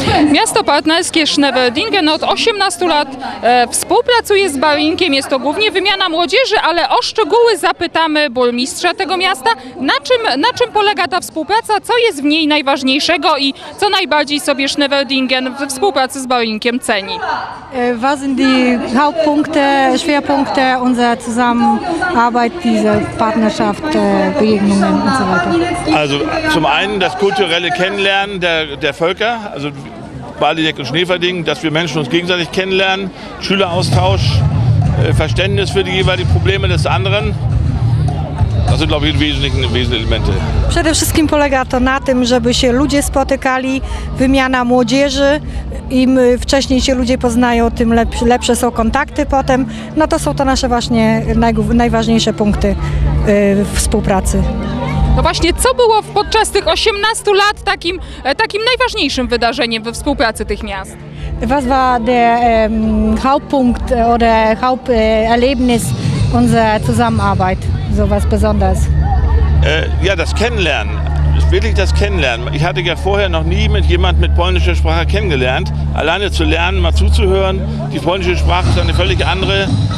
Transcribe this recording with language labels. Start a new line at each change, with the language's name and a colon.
Polish: Miasto partnerskie Schneverdingen od 18 lat współpracuje z Barinkiem. Jest to głównie wymiana młodzieży, ale o szczegóły zapytamy burmistrza tego miasta. Na czym polega ta współpraca, co jest w niej najważniejszego i co najbardziej sobie Schneverdingen we współpracy z Barinkiem ceni?
German: Was sind die Schwerpunkte unserer Zusammenarbeit, diese Partnerschaft, Begegnungen und so weiter? Also zum einen das kulturelle Kennenlernen der Völker, also Balideck und Schneverdingen, dass wir Menschen uns gegenseitig kennenlernen, Schüleraustausch, Verständnis für die jeweiligen Probleme des anderen.
Polish: To są, myślę,
German: wesentliche
Polish: elementy. Przede wszystkim polega to na tym, żeby się ludzie spotykali, wymiana młodzieży. Im wcześniej się ludzie poznają, tym lepsze są kontakty potem. No to są to nasze właśnie najważniejsze punkty współpracy. No właśnie, co było podczas tych 18 lat takim najważniejszym wydarzeniem we współpracy tych miast?
German: Was war der Hauptpunkt oder Haupterlebnis unserer Zusammenarbeit? So was Besonderes? Ja, das Kennenlernen. Wirklich das Kennenlernen. Ich hatte ja vorher noch nie mit polnischer Sprache kennengelernt. Alleine zu lernen, mal zuzuhören. Die polnische Sprache ist eine völlig andere.